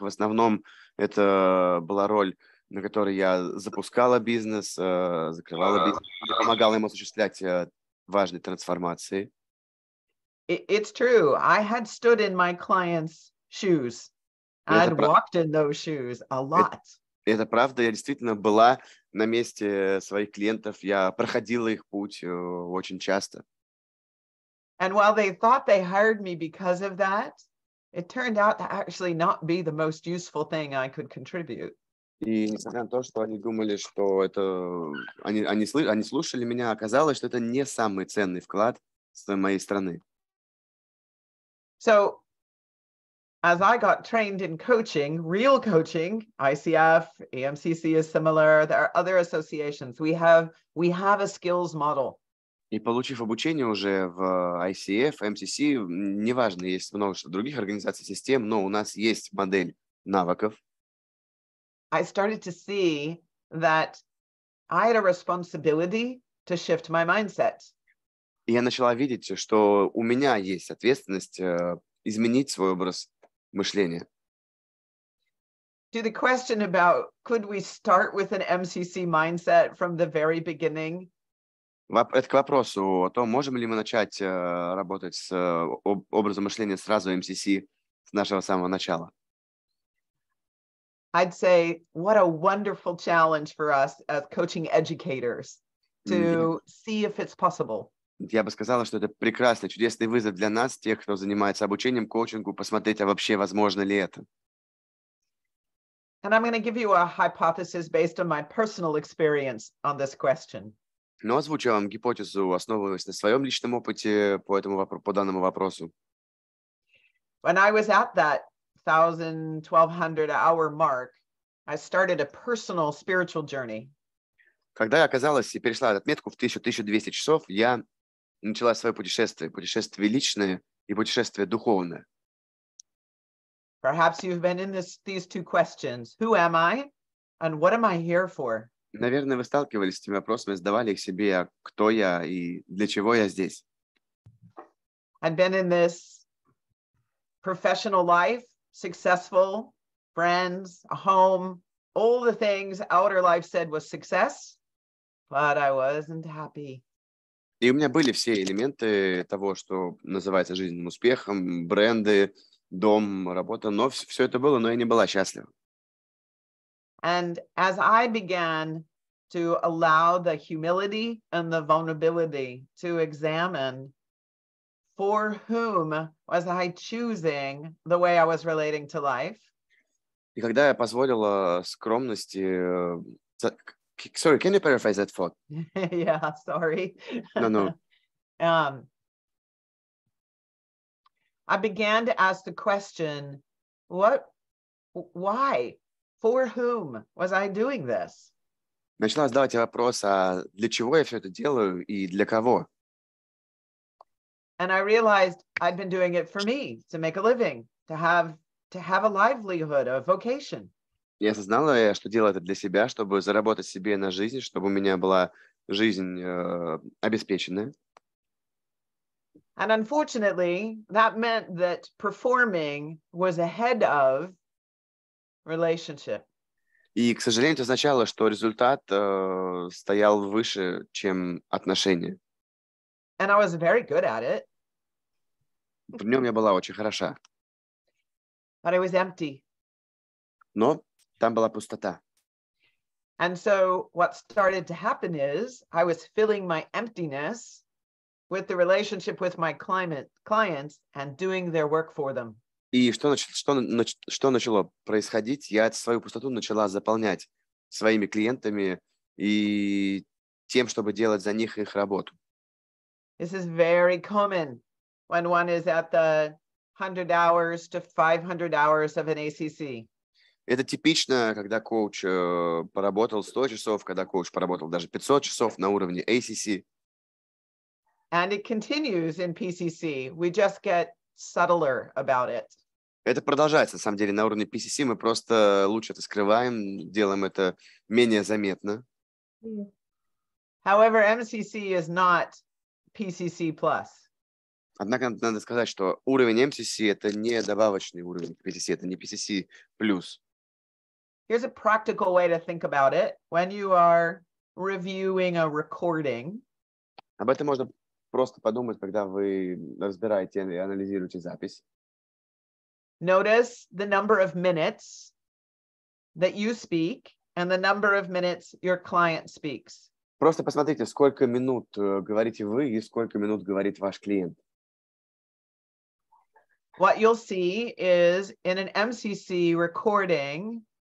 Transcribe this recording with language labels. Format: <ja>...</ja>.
<ru>В основном это была роль, на которой я запускала бизнес, закрывала бизнес, помогала ему осуществлять важные трансформации.</ru> <en>It's true. I had stood in my clients' shoes. I'd walked in those shoes a lot.</en> <ru>Это правда. Я действительно была на месте своих клиентов. Я проходила их путь очень часто.</ru> <en>And while they thought they hired me because of that, it turned out to actually not be the most useful thing I could contribute.</en> <ru>И несмотря на то, что они думали, что это они слушали меня, оказалось, что это не самый ценный вклад с моей стороны.</ru> <en>So, as I got trained in coaching, real coaching, ICF, MCC is similar. There are other associations. We have a skills model.</en> <ru>И получив обучение уже в ICF, MCC, неважно, есть множество других организаций, систем, но у нас есть модель навыков.</ru> <en>I started to see that I had a responsibility to shift my mindset.</en> <ru>И я начала видеть, что у меня есть ответственность изменить свой образ мышления.</ru> <en>To the question about could we start with an MCC mindset from the very beginning?</en> <ru>Это к вопросу о том, можем ли мы начать работать с образом мышления сразу МСС с нашего самого начала.</ru> <en>I'd say, what a wonderful challenge for us as coaching educators to see if it's possible.</en> <ru>Я бы сказала, что это прекрасный, чудесный вызов для нас, тех, кто занимается обучением, коучингу, посмотреть, а вообще возможно ли это.</ru> <en>And I'm going to give you a hypothesis based on my personal experience on this question.</en> <ru>Но озвучу вам гипотезу, основываясь на своем личном опыте по этому по данному вопросу.</ru> <en>When I was at that 1,200 hour mark, I started a personal spiritual journey.</en> <ru>Когда я оказалась и перешла отметку в 1000-1200 часов, я начала свое путешествие, путешествие личное и путешествие духовное.</ru> <en>Perhaps you've been in these two questions. Who am I and what am I here for?</en> <ru>Наверное, вы сталкивались с этими вопросами, задавали их себе, а кто я и для чего я здесь.</ru> <en>I've been in this professional life, successful, friends, a home, all the things outer life said was success, but I wasn't happy.</en> <ru>И у меня были все элементы того, что называется жизненным успехом, бренды, дом, работа, но все это было, но я не была счастлива.</ru> <en>And as I began to allow the humility and the vulnerability to examine for whom was I choosing the way I was relating to life.</en> <ru>И когда я позволила скромности...</ru> <en>Sorry, can you paraphrase that thought? Yeah, sorry. No. I began to ask the question, what, why? For whom was I doing this?</en> <ru>Начала задавать вопрос, а для чего я все это делаю и для кого?</ru> <en>And I realized I'd been doing it for me, to make a living, to have a livelihood, a vocation.</en> <ru>Я осознала, что делаю это для себя, чтобы заработать себе на жизнь, чтобы у меня была жизнь обеспеченная.</ru> <en>And unfortunately, that meant that performing was ahead of relationship.</en> <ru>И, к сожалению, это означало, что результат стоял выше, чем отношения.</ru> <en>And I was very good at it.</en> <ru>В нем я была очень хороша.</ru> <en>But I was empty.</en> <ru>Но там была пустота.</ru> <en>And so what started to happen is I was filling my emptiness with the relationship with my clients and doing their work for them.</en> <ru>И что начало происходить? Я свою пустоту начала заполнять своими клиентами и тем, чтобы делать за них их работу.</ru> <en>This is very common when one is at the 100 hours to 500 hours of an ACC.</en> <ru>Это типично, когда коуч поработал 100 часов, когда коуч поработал даже 500 часов на уровне ACC.</ru> <en>And it continues in PCC. We just get subtler about it.</en> <ru>Это продолжается, на самом деле, на уровне PCC. Мы просто лучше это скрываем, делаем это менее заметно.</ru> <en>However, MCC is not PCC plus.</en> <ru>Однако надо сказать, что уровень MCC это не добавочный уровень PCC, это не PCC плюс.</ru> <en>Here's a practical way to think about it. When you are reviewing a recording.</en> <ru>Об этом можно просто подумать, когда вы разбираете и анализируете запись.</ru> <en>Notice the number of minutes that you speak and the number of minutes your client speaks.</en> <ru>Просто посмотрите, сколько минут говорите вы и сколько минут говорит ваш клиент.</ru> <en>What you'll see is in an MCC recording.</en>